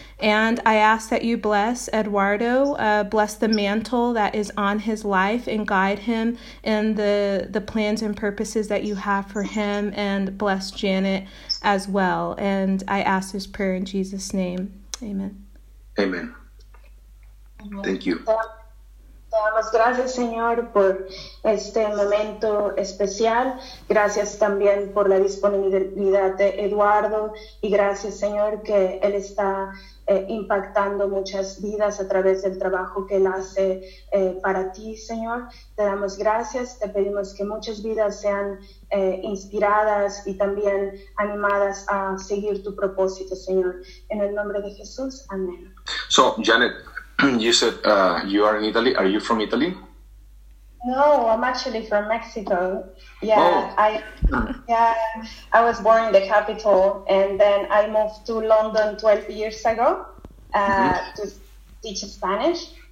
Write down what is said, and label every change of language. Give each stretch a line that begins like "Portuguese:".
English: And I ask that you bless Eduardo, bless the mantle that is on his life, and guide him in the plans and purposes that you have for him, and bless Janet as well. And I ask this prayer in Jesus' name. Amen. Amen. Amen. Thank you.
Spanish: Te damos gracias, Señor, por este momento especial. Gracias también por la disponibilidad de Eduardo. Y gracias, Señor, que él está impactando muchas vidas a través del trabajo que él hace para ti, Señor. Te damos gracias. Te pedimos que muchas vidas sean inspiradas y también animadas a seguir tu propósito, Señor. En el nombre de Jesús, amén.
English: So, Janet, you said you are in Italy. Are you from Italy? No, I'm actually from Mexico. I was born in the capital, and then I moved to London 12 years ago to teach Spanish.